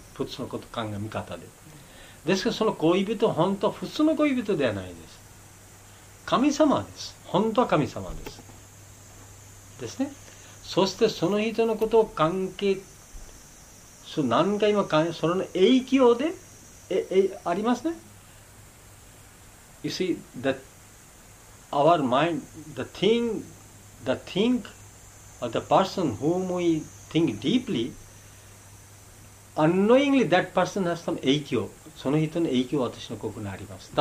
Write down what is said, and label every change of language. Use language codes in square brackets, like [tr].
[ja] 普通のこと考え、見方で。ですが、その恋人、本当は普通の恋人ではないです。神様です。本当は神様です。ですね。そしてその人のことを関係そう何回も関係その影響でありますね。 [en] You see that our mind, the thing, or the person whom we think deeply, unknowingly that person has some 影響。 [ja] その人の影響は私の心にあります。